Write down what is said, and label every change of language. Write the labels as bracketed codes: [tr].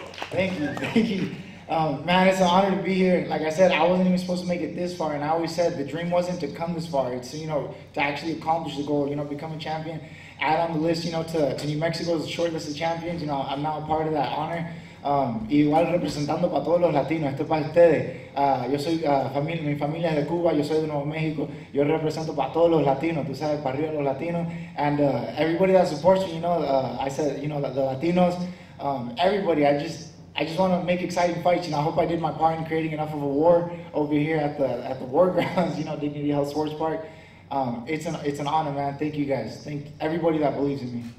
[en] Thank you. Thank you. Man, it's an honor to be here. Like I said, I wasn't even supposed to make it this far, and I always said the dream wasn't to come this far. It's, you know, to actually accomplish the goal, you know, become a champion, add on the list, you know, to New Mexico's short list of champions. You know, I'm now a part of that honor. [es] Igual representando para todos los latinos, esto es para ustedes. Yo soy familia, mi familia es de Cuba, yo soy de Nuevo México. Yo represento para todos los latinos, tú sabes, para arriba los latinos. [en] And everybody that supports me, you know, I said, you know, the Latinos, everybody, I just want to make exciting fights, and I hope I did my part in creating enough of a war over here at the war grounds, you know, Dignity Health Sports Park. It's an honor, man. Thank you guys. Thank everybody that believes in me.